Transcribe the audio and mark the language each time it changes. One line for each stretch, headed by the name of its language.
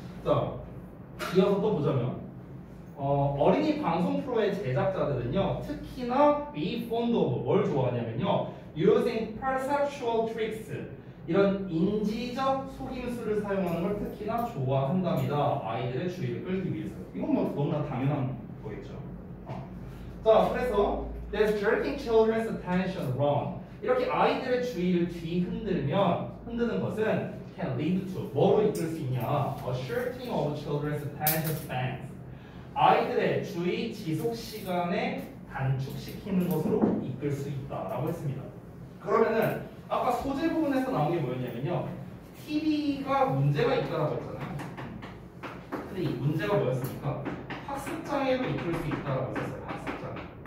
Korean: 자, 이어서 또 보자면 어린이 방송 프로의 제작자들은요, 특히나
English: be fond of
Korean: 뭘 좋아하냐면요,
English: using perceptual tricks,
Korean: 이런 인지적 속임수를 사용하는 걸 특히나 좋아한답니다. 아이들의 주의를 끌기 위해서. 이건 뭐 너무나 당연한 거겠죠. 자, 그래서
English: there's jerking children's attention around.
Korean: 이렇게 아이들의 주의를 흔드는 것은
English: can lead to
Korean: 뭐로 이끌 수 있냐?
English: A shorting of children's attention spans.
Korean: 아이들의 주의 지속 시간에 단축시키는 것으로 이끌 수 있다라고 했습니다. 그러면은 아까 소재 부분에서 나온 게 뭐였냐면요. TV가 문제가 있다라고 했잖아요. 근데 이 문제가 뭐였습니까? 학습장애로 이끌 수 있다라고 했었어요. 학습장애.